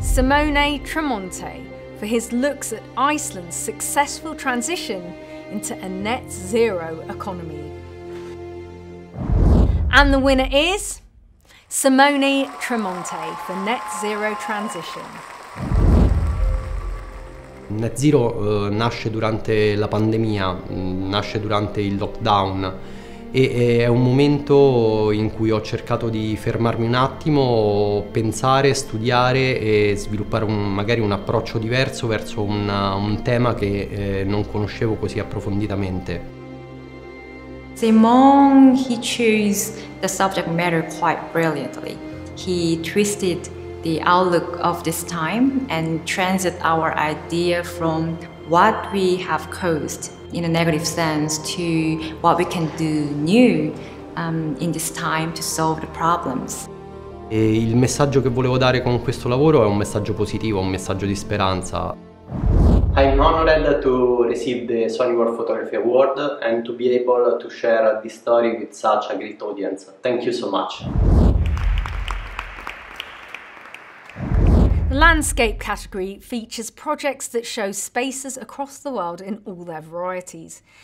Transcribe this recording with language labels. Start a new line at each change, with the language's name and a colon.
English: Simone Tremonte for his looks at Iceland's successful transition into a net zero economy. And the winner is Simone Tremonte for net zero transition.
Italian: Net Zero nasce durante la pandemia, nasce durante il lockdown e è un momento in cui ho cercato di fermarmi un attimo, pensare, studiare e sviluppare magari un approccio diverso verso un tema che non conoscevo così approfonditamente.
English: Simon, he chose the subject matter quite brilliantly. He twisted the outlook of this time and transit our idea from what we have caused in a negative sense to what we can do new in this time to solve the problems.
Italian: E il messaggio che volevo dare con questo lavoro è un messaggio positivo, un messaggio di speranza.
English: I'm honored to receive the Sony World Photography Award and to be able to share this story with such a great audience. Thank you so much. The landscape category features projects that show spaces across the world in all their varieties.